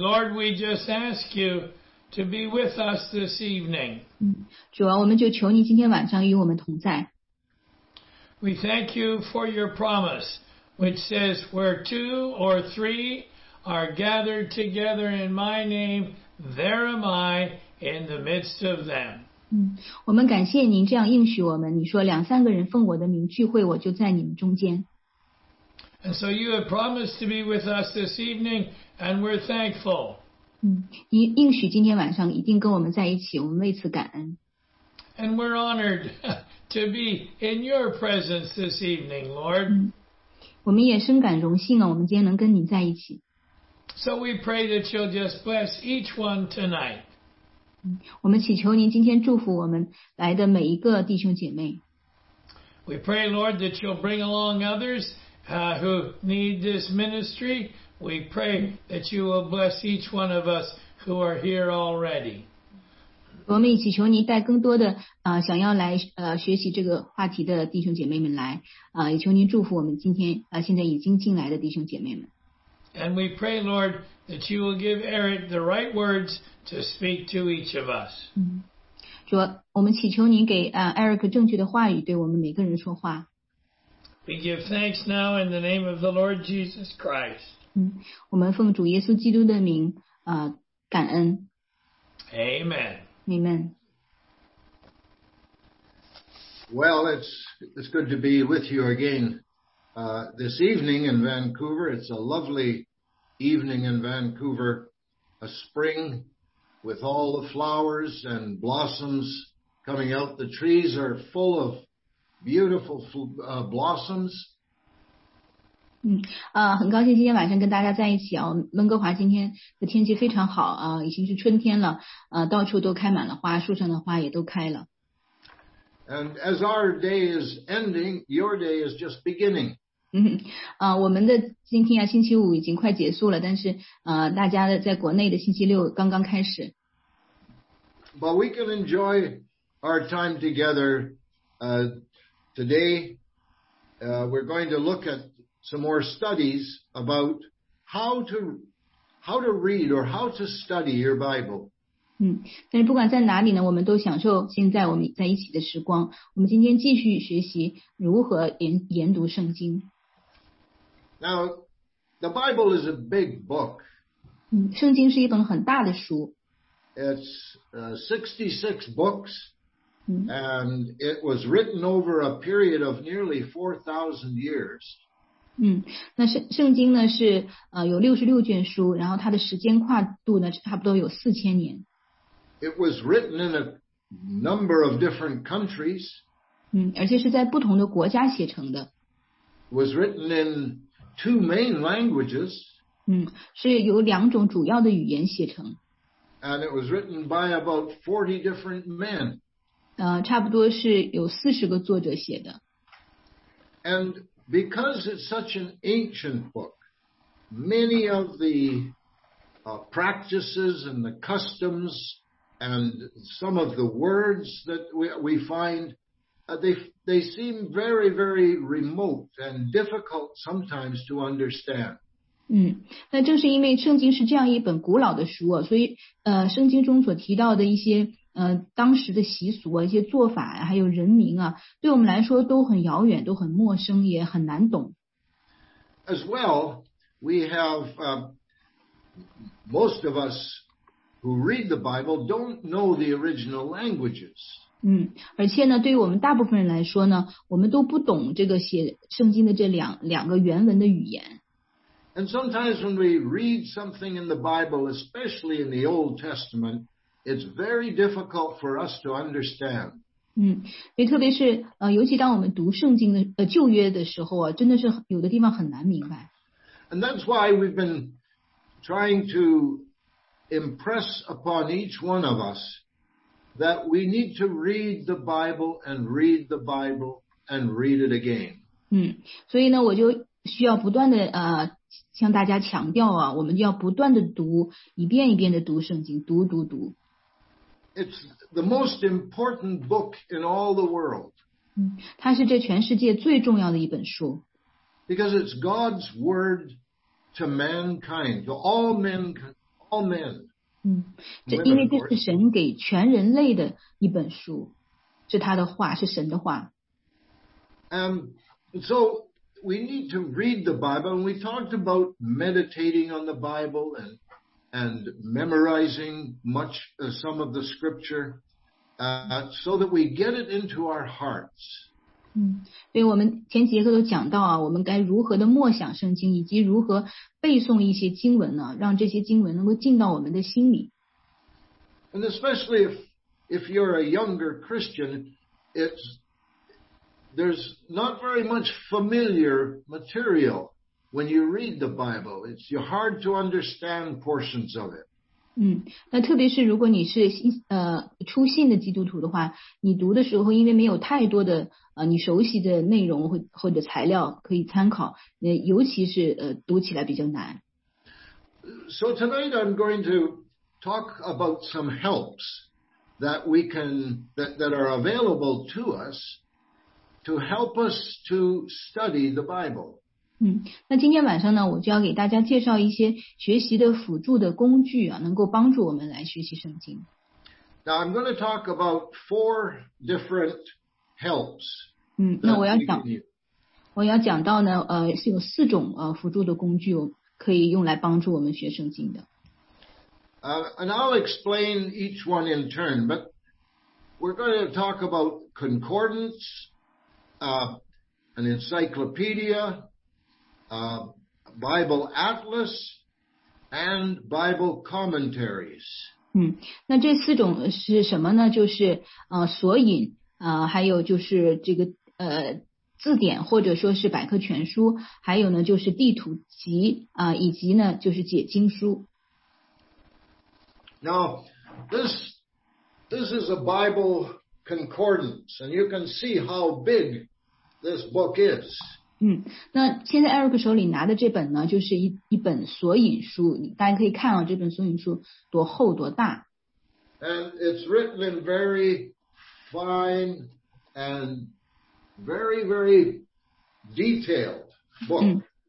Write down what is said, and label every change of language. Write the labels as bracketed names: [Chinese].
[English] Lord, we just ask you to be with us this evening. [Chinese] 主啊，我们就求你今天晚上与我们同在。 [English] We thank you for your promise, which says, where two or three are gathered together in my name, there am I in the midst of them. [Chinese] 我们感谢您这样应许我们，你说两三个人奉我的名聚会，我就在你们中间。 [English] And so you have promised to be with us this evening, and we're thankful. [Chinese] 应许今天晚上一定跟我们在一起，我们为此感恩。 [English] And we're honored to be in your presence this evening, Lord. [Chinese] 我们也深感荣幸啊，我们今天能跟您在一起。 [English] So we pray that you'll just bless each one tonight. [Chinese] 我们祈求您今天祝福我们来的每一个弟兄姐妹。 [English] We pray, Lord, that you'll bring along others. Who need this ministry, we pray that you will bless each one of us who are here already. [Chinese] 我们一起求你带更多的想要来学习这个话题的弟兄姐妹们来也求您祝福我们今天现在已经进来的弟兄姐妹们。 [English] And we pray, Lord, that you will give Eric the right words to speak to each of us. [Chinese] 主，我们祈求您给Eric 正确的话语对我们每个人说话。 [English] We give thanks now in the name of the Lord Jesus Christ. [Chinese] 我们奉主耶稣基督的名感恩。 [English] Amen. Amen. Well, it's good to be with you again this evening in Vancouver. It's a lovely evening in Vancouver, a spring with all the flowers and blossoms coming out. The trees are full of beautiful blossoms. [Chinese] 很高兴今天晚上跟大家在一起啊。温哥华今天的天气非常好啊，已经是春天了啊，到处都开满了花，树上的花也都开了。 [English] And as our day is ending, your day is just beginning. [Chinese] 我们的今天啊，星期五已经快结束了，但是大家的在国内的星期六刚刚开始。 [English] But we can enjoy our time together. Today, we're going to look at some more studies about how to read or how to study your Bible. [Chinese] 但是不管在哪里呢，我们都享受现在我们在一起的时光。我们今天继续学习如何研读圣经。 [English] Now, the Bible is a big book. [Chinese] 圣经是一本很大的书。 [English] It's 66 books. And it was written over a period of nearly 4,000 years. [Chinese] 那圣经呢是有66卷书，然后它的时间跨度呢差不多有4000年。 [English] It was written in a number of different countries. [Chinese] 而且是在不同的国家写成的。 [English] Was written in two main languages. [Chinese] 是有两种主要的语言写成。 [English] And it was written by about 40 different men. [Chinese] 差不多是有40个作者写的。 [English] And because it's such an ancient book, many of the practices and the customs and some of the words that we find, they seem very, very remote and difficult sometimes to understand. [Chinese] 那正是因为圣经是这样一本古老的书，所以圣经中所提到的一些当时的习俗一些做法还有人名对我们来说都很遥远，都很陌生，也很难懂。 [English] As well, we have most of us who read the Bible don't know the original languages. [Chinese] 而且呢，对于我们大部分人来说呢，我们都不懂这个写圣经的这两个原文的语言。 [English] And sometimes when we read something in the Bible, especially in the Old Testament,It's very difficult for us to understand. [Chinese] 也特别是尤其当我们读圣经的旧约的时候真的是有的地方很难明白。 [English] And that's why we've been trying to impress upon each one of us that we need to read the Bible and read the Bible and read it again. [Chinese] 所以呢，我就需要不断的向大家强调我们要不断的读，一遍一遍的读圣经，读读读。 [English] It's the most important book in all the world. [Chinese] 它是这全世界最重要的一本书。 [English] Because it's God's word to mankind, to all men, all men. [Chinese] 这因为这是神给全人类的一本书，是他的话，是神的话。 [English] So we need to read the Bible, and we talked about meditating on the Bible and memorizing much some of the scripture, so that we get it into our hearts. [Chinese] 对，我们前几课都讲到啊，我们该如何的默想圣经，以及如何背诵一些经文呢？让这些经文能够进到我们的心里。 [English] And especially if you're a younger Christian, there's not very much familiar material when you read the Bible. It's hard to understand portions of it. [Chinese] 那特别是如果你是初信的基督徒的话，你读的时候因为没有太多的你熟悉的内容或者材料可以参考，尤其是读起来比较难。 [English] So tonight I'm going to talk about some helps that are available to us. To help us to study the Bible. [Chinese] 那今天晚上呢，我就要给大家介绍一些学习的辅助的工具啊，能够帮助我们来学习圣经。 [English] Now I'm going to talk about four different helps. [Chinese] 那我要讲到呢，是有四种辅助的工具可以用来帮助我们学圣经的。 [English] And I'll explain each one in turn, but we're going to talk about concordance. An encyclopedia, Bible atlas, and Bible commentaries. [Chinese] 那这四种是什么呢？就是索引，还有就是这个字典或者说是百科全书，还有呢就是地图集以及呢就是解经书。 [English] Now, this is a Bible concordance, and you can see how big. This book is. [Chinese] 那现在 Eric 手里拿的这本呢，就是一本索引书。大家可以看啊，这本索引书多厚多大。 [English] And it's written in very fine and very very detailed book.